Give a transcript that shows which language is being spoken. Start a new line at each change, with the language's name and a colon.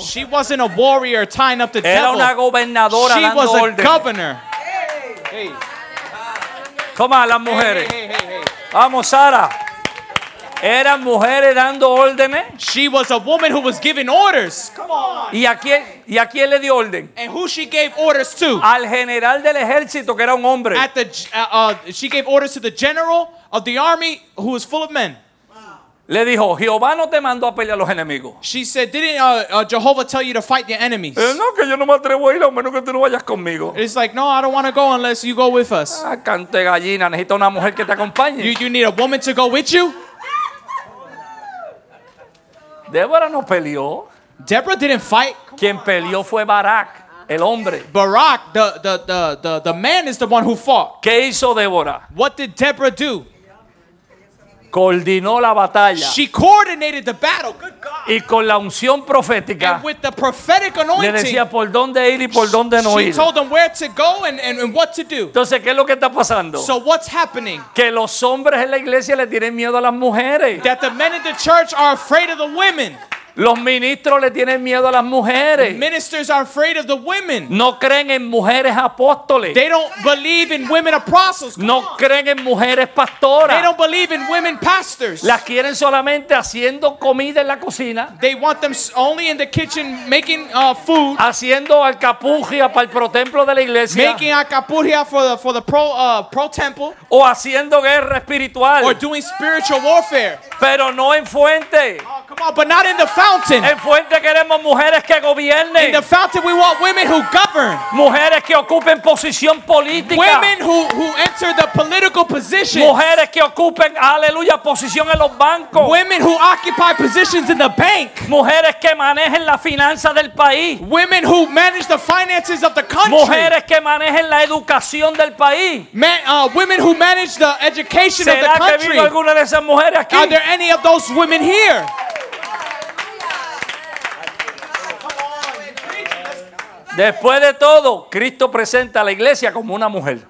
English: She wasn't a warrior tying up the
Spanish: era
English: devil.
Spanish: Era una gobernadora dando orden.
English: She was a governor. Hey. Come on,
Spanish: las mujeres.
English: Hey.
Spanish: Vamos, Sara. Eran mujeres dando órdenes.
English: She was a woman who was giving orders. Come on.
Spanish: ¿Y a quién le dio orden?
English: And who she gave orders to?
Spanish: Al general del ejército, que era un hombre.
English: At the, she gave orders to the general of the army, who was full of men.
Spanish: Le dijo, Jehová no te mandó a pelear los enemigos.
English: She said, didn't Jehovah tell you to fight the enemies?
Spanish: No, que yo no me atrevo a ir, a menos que tú no vayas conmigo.
English: It's like, no, I don't want to go unless you go with us.
Spanish: Ah, cante gallina, necesito una mujer que te acompañe.
English: You need a woman to go with you?
Spanish: Débora no peleó.
English: Deborah didn't fight.
Spanish: Quien peleó fue Barak, el hombre.
English: Barak, the man is the one who fought.
Spanish: ¿Qué hizo Débora?
English: What did Deborah do?
Spanish: Coordinó la batalla.
English: She coordinated the battle. Good God.
Spanish: Y con la unción profética.
English: And with the prophetic anointing.
Spanish: Le decía por dónde ir y por dónde no ir.
English: She told them where to go and what to do.
Spanish: Entonces, ¿qué es lo que está pasando?
English: So what's happening?
Spanish: Que los hombres en la iglesia le tienen miedo a las mujeres.
English: That the men in the church are afraid of the women.
Spanish: Los ministros le tienen miedo a las mujeres.
English: The ministers are afraid of the women.
Spanish: No creen en mujeres apóstoles.
English: They don't believe in women apostles.
Spanish: No creen en mujeres pastoras.
English: They don't believe in women pastors.
Spanish: Las quieren solamente haciendo comida en la cocina.
English: They want them only in the kitchen making food.
Spanish: Haciendo alcapurria para el pro templo de la iglesia.
English: Making alcapurria for the pro temple.
Spanish: O haciendo guerra espiritual.
English: Or doing spiritual warfare.
Spanish: Pero no en fuente.
English: Come on, but not in the fountain.
Spanish: En fuente queremos mujeres que gobiernen.
English: In the fountain we want women who govern.
Spanish: Mujeres que ocupen posición política.
English: Women who enter the political position.
Spanish: Mujeres que ocupen, aleluya, posición en los bancos.
English: Women who occupy positions in the bank.
Spanish: Mujeres que manejen la finanza del país.
English: Women who manage the finances of the country.
Spanish: Mujeres que manejen la educación del país.
English: Women who manage the education of the country.
Spanish: ¿Será que vive alguna de esas mujeres aquí?
English: Are there any of those women here?
Spanish: Después de todo, Cristo presenta a la iglesia como una mujer.